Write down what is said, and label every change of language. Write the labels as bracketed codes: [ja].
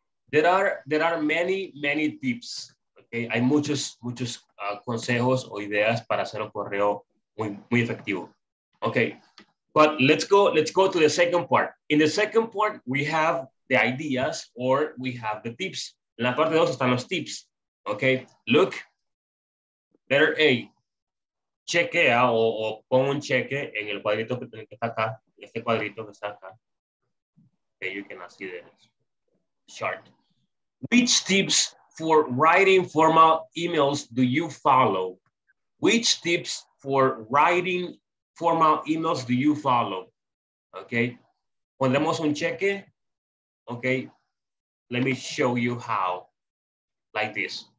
[en] There are many, many tips. [es] Okay, hay muchos consejos o ideas para hacer un correo Muy, muy efectivo. [en] Okay, but let's go to the second part. In the second part, we have the ideas or we have the tips. [es] En la parte dos están los tips. [en] Okay, look, letter A, [es] chequea o pon un cheque en el cuadrito que tiene que estar acá, este cuadrito que está acá. [en] Okay, you can see the chart. Which tips for writing formal emails do you follow? Which tips for writing formal emails do you follow? Okay, [es] pondremos un cheque. [en] Okay, let me show you how, like this.